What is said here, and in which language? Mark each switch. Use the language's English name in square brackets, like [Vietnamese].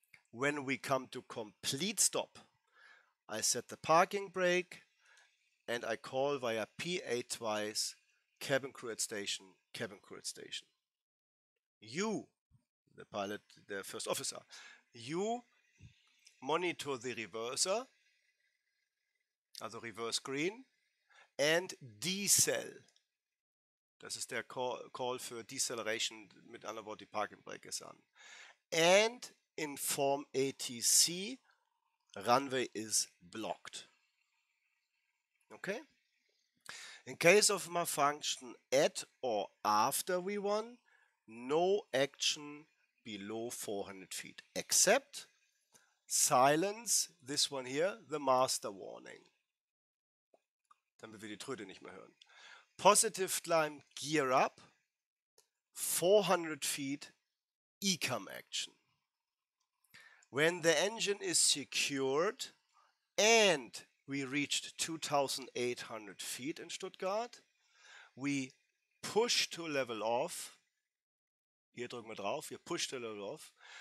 [English] When we come to complete stop, I set the parking brake and I call via PA twice, cabin crew at station, cabin crew at station. You, the pilot, the first officer, you monitor the reverser, also reverse green, and decel. [German] Das ist der Call für deceleration, mit anderen Worten, die parking brake ist an. [English] And inform ATC, Runway is blocked. Okay? In case of malfunction at or after V1, no action below 400 feet, except silence, this one here, the master warning. [German] Damit wir die Tröte nicht mehr hören. [English] Positive climb gear up, 400 feet, ECAM action. When the engine is secured and we reached 2800 feet in Stuttgart, we push to level off. [German] Hier drücken wir drauf, wir push to level off.